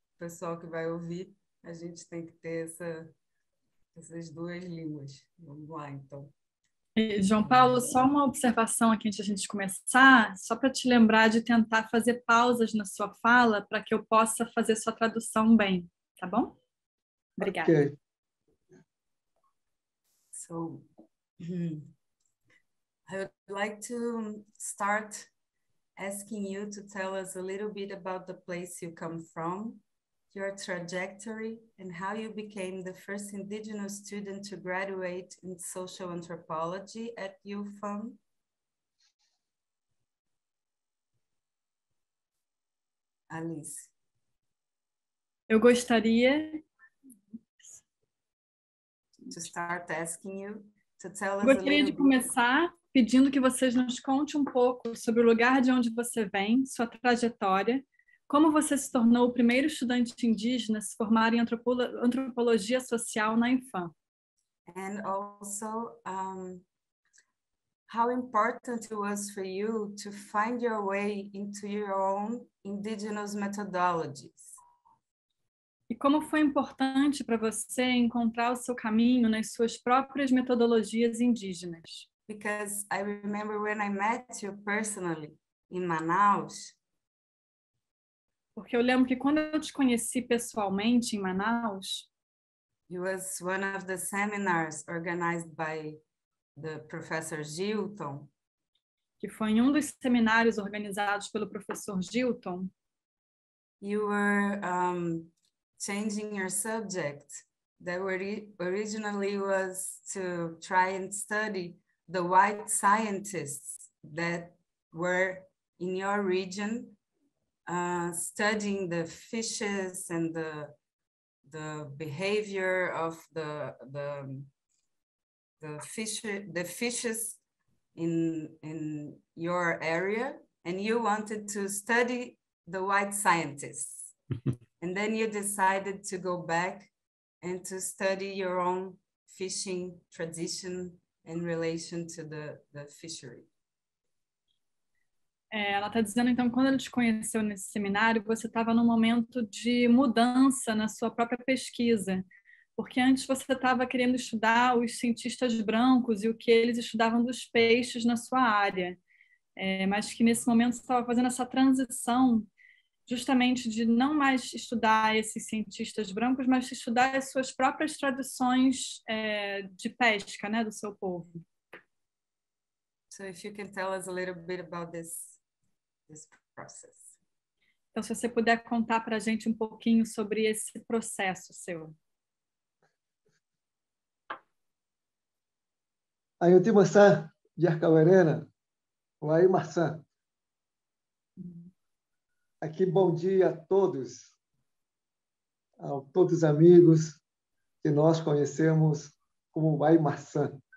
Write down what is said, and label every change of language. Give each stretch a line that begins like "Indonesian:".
Portuguese: O pessoal que vai ouvir, a gente tem que ter essas duas línguas. Vamos lá, então. João Paulo, só uma observação aqui antes de a gente começar, só para te lembrar de tentar fazer pausas na sua fala para que eu possa fazer sua tradução bem, tá bom? Obrigada. Okay.
English: So, I would like to start asking you to tell us a little bit about the place you come from, your trajectory, and how you became the first Indigenous student to graduate in social anthropology at UFAM. Alice.
Portuguese: Eu gostaria...
English: To start asking you to tell us...
Portuguese: Gostaria de começar pedindo que vocês nos contem um pouco sobre o lugar de onde você vem, sua trajetória, como você se tornou o primeiro estudante indígena a se formar em antropologia social na IPHAN?
English: And also, how important it was for you to find your way into your own indigenous methodologies.
Portuguese: E como foi importante para você encontrar o seu caminho nas suas próprias metodologias indígenas?
English: Because I remember when I met you personally in Manaus.
Portuguese: Porque eu lembro que quando eu te conheci pessoalmente em Manaus,
English: it was one of the seminars organized by the professor Gilton,
Portuguese: que foi em um dos seminários organizados pelo professor Gilton,
English: you were changing your subject that originally was to try and study the white scientists that were in your region studying the fishes and the behavior of the fishes in your area, and you wanted to study the white scientists. And then you decided to go back and to study your own fishing tradition in relation to the fishery.
Portuguese: Ela está dizendo, então, quando ela te conheceu nesse seminário, você estava num momento de mudança na sua própria pesquisa. Porque antes você estava querendo estudar os cientistas brancos e o que eles estudavam dos peixes na sua área. Mas que nesse momento você estava fazendo essa transição justamente de não mais estudar esses cientistas brancos, mas estudar as suas próprias tradições de pesca, né, do seu povo.
English: So if you can tell us a little bit about this process.
Portuguese: Então, se você puder contar para a gente um pouquinho sobre esse processo seu. Aí eu tenho essa de Arcavarena, o Aí Marçã. Aqui, bom dia a todos, a todos os amigos que nós conhecemos como o Aí Marçã.